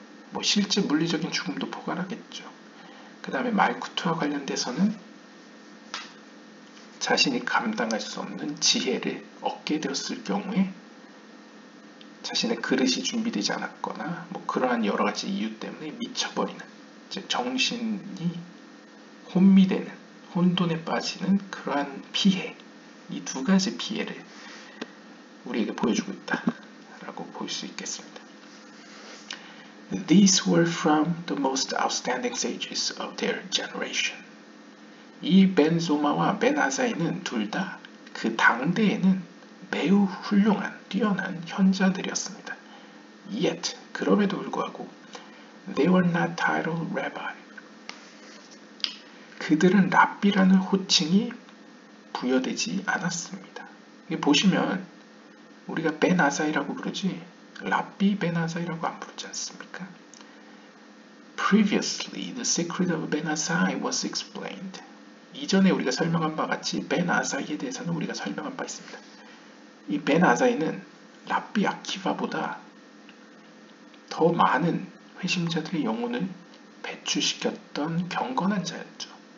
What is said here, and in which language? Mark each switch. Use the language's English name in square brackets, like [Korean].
[Korean] 뭐 실제 물리적인 죽음도 포괄하겠죠. 그 다음에 말쿠트와 관련돼서는 자신이 감당할 수 없는 지혜를 얻게 되었을 경우에 자신의 그릇이 준비되지 않았거나 뭐 그러한 여러 가지 이유 때문에 미쳐버리는, 즉 정신이 혼미되는, 혼돈에 빠지는 그러한 피해. 이두 가지 피해를 우리에게 보여주고 있다라고 볼수 있겠습니다. [English] These were from the most outstanding sages of their generation. [Korean] 이벤 소마와 벤 아사이는 둘다그 당대에는 매우 훌륭한, 뛰어난 현자들이었습니다. [English] Yet, [Korean] 그럼에도 불구하고, [English] they were not titled rabbi. [Korean] 그들은 랍비라는 호칭이 부여되지 않았습니다. 이게 보시면 우리가 벤 아사이라고 부르지 랍비 벤 아사이라고 안 부르지 않습니까? [English] Previously, the secret of Ben Asai was explained. [Korean] 이전에 우리가 설명한 바 같이 벤 아사이에 대해서는 우리가 설명한 바 있습니다. 이벤 아사이는 랍비 아키바보다 더 많은 회심자들의 영혼을 배출시켰던 경건한 자였죠.